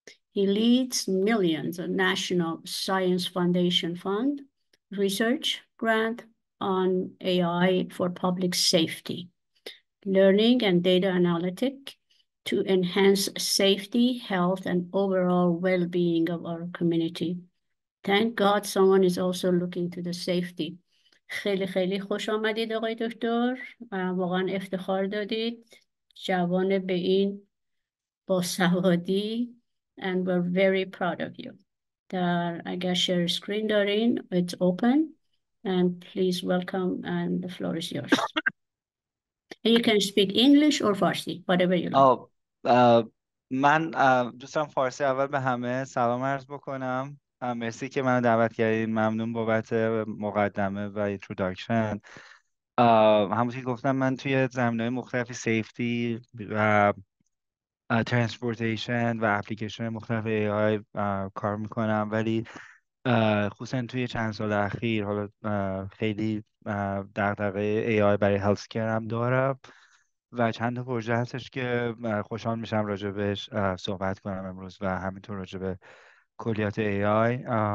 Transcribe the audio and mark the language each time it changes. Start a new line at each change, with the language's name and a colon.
English: He leads millions of National Science Foundation Fund research grant on AI for public safety, learning and data analytics to enhance safety, health, and overall well-being of our community. Thank God someone is also looking to the safety.
Persian: خیلی خیلی خوش آمدید آقای دکتر. واقعا افتخار دادید. جوان به این با سوادی.
English: And we're very proud of you.
Persian: در اگر
English: share screen
Persian: دارین,
English: it's open. And please welcome, and the floor is yours. And you can speak English or Farsi, whatever you like.
Persian: Oh, من دوستم فارسی اول به همه سلام عرض بکنم. مرسی که منو دعوت کردید. ممنون بابت مقدمه و اینتروداکشن. همونطور که گفتم من توی زمینه‌های مختلف سیفتی و ترانسپورتیشن و اپلیکیشن مختلف AI کار میکنم، ولی خصوصا توی چند سال اخیر حالا خیلی دغدغه AI برای هلث کیر هم دارم و چند تا پروژه هستش که خوشحال میشم راجبش صحبت کنم امروز و همینطور راجب کلیات AI.